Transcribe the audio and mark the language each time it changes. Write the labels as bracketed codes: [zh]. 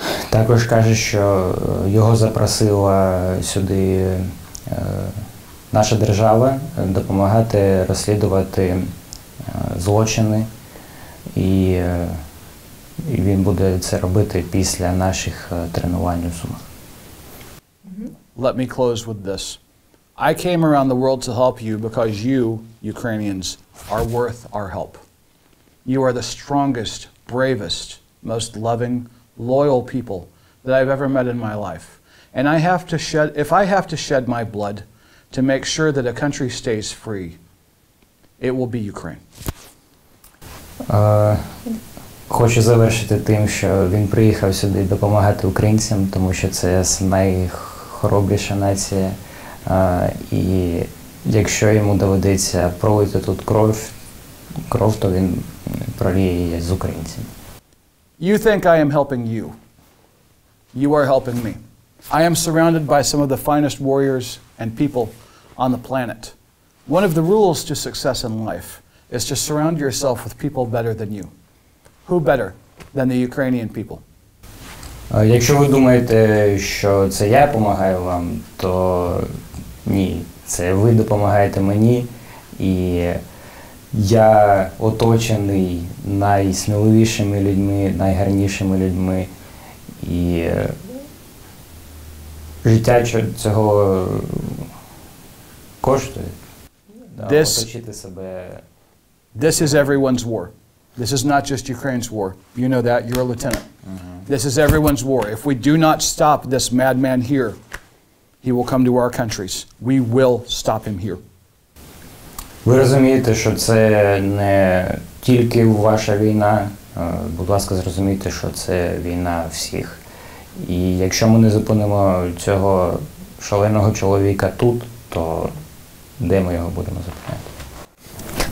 [uk] Також каже, що його запросила сюди наша держава допомагати розслідувати злочини, і він буде це робити після наших тренувань у Сумах. [en] Let me close with this. I came around the world to help you because you, Ukrainians, are worth our help. You are the strongest, bravest, most loving, loyal people that I've ever met in my life. And I have to shed, if I have to shed my blood to make sure that a country stays free, it will be Ukraine. [uk] Хочу завершити тим, що він приїхав сюди допомагати українцям, тому що це найхоробліша нація. І якщо йому доведеться пролити тут кров, то він проліє її з українцями. [en] You think I am helping you. You are helping me. I am surrounded by some of the finest warriors and people on the planet. One of the rules to success in life is to surround yourself with people better than you. Who better than the Ukrainian people? [uk] Якщо ви думаєте, що це я допомагаю вам, то ні, це ви допомагаєте мені, і я оточений найсміливішими людьми, найгарнішими людьми, і життя цього коштує. Оточити себе. [en] This is everyone's war. This is not just Ukraine's war. You know that. You're a lieutenant. Mm-hmm. This is everyone's war. If we do not stop this madman here, he will come to our countries. We will stop him here. [uk] Ви розумієте, що це не тільки ваша війна. Будь ласка, зрозумійте, що це війна всіх. І якщо ми не зупинимо цього шаленого чоловіка тут, то де ми його будемо зупиняти?